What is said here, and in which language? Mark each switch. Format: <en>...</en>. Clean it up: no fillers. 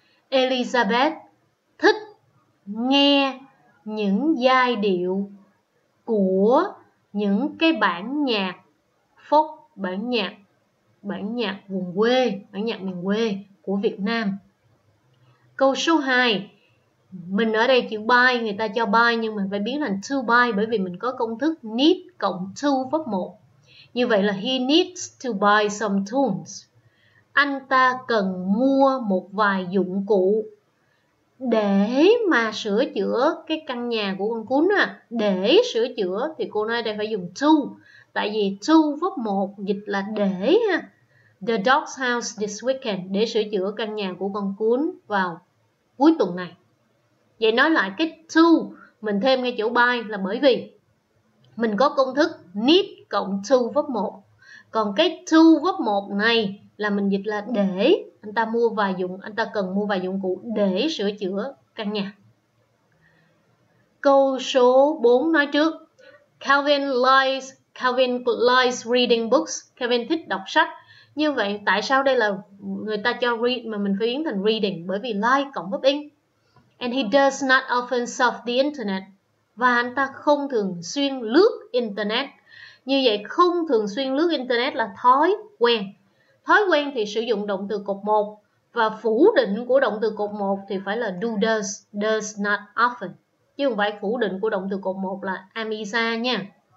<vi>Elizabeth thích nghe những giai điệu của những cái bản nhạc folk, bản nhạc vùng quê, bản nhạc miền quê của Việt Nam. Câu số 2, mình ở đây chữ by, người ta cho by nhưng mình phải biến thành to by bởi vì mình có công thức need cộng to verb 1. Như vậy là</vi> <en>he needs to buy some tools.</en> <vi>Anh ta cần mua một vài dụng cụ để mà sửa chữa cái căn nhà của con cún à. Để sửa chữa thì cô nói đây phải dùng to. Tại vì to verb 1 dịch là để ha.</vi> <en>The dog's house this weekend.</en> <vi>Để sửa chữa căn nhà của con cún vào cuối tuần này. Vậy nói lại cái to mình thêm ngay chỗ by là bởi vì mình có công thức need cộng to verb 1. Còn cái to verb 1 này là mình dịch là để, anh ta cần mua vài dụng cụ để sửa chữa căn nhà. Câu số 4 nói trước.</vi> <en>Calvin likes reading books.</en> <vi>Calvin thích đọc sách. Như vậy tại sao đây là người ta cho read mà mình phải biến thành reading? Bởi vì like cộng verb in.</vi> <en>And he does not often surf the internet.</en> <vi>Và anh ta không thường xuyên lướt internet. Như vậy không thường xuyên lướt internet là thói quen. Thói quen thì sử dụng động từ cột 1 và phủ định của động từ cột 1 thì phải là do does not often. Chứ không phải phủ định của động từ cột 1 là am is nha.</vi>